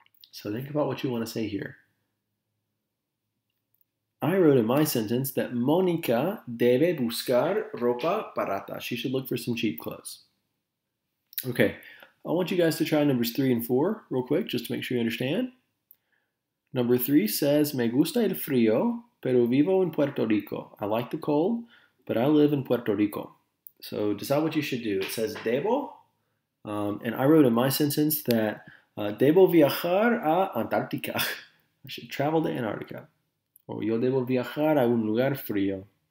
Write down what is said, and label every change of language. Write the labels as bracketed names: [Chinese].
[English] So think about what you want to say here. I wrote in my sentence that Mónica debe buscar ropa barata. She should look for some cheap clothes. Okay. I want you guys to try numbers 3 and 4 real quick, just to make sure you understand. [Spanish] Number 3 says, me gusta el frío, pero vivo en Puerto Rico. [English] I like the cold, but I live in Puerto Rico. So decide what you should do. It says, debo. And I wrote in my sentence that, debo viajar a Antártica. I should travel to Antarctica. [Spanish] Or yo debo viajar a un lugar frío.